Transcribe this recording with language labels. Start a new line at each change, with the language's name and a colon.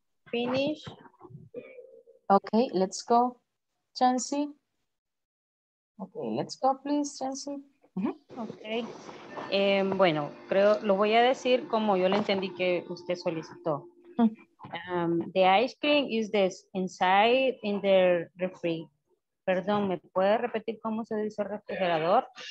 English: finish. Okay, let's go, Chancy. Okay, let's go, please, Chancy. Uh-huh. Okay.
Spanish: Bueno, creo, lo voy a decir como yo lo entendí que usted solicitó.
English: The ice cream is this inside in the refri.
Spanish: Perdón, ¿me puede repetir cómo se dice refrigerador?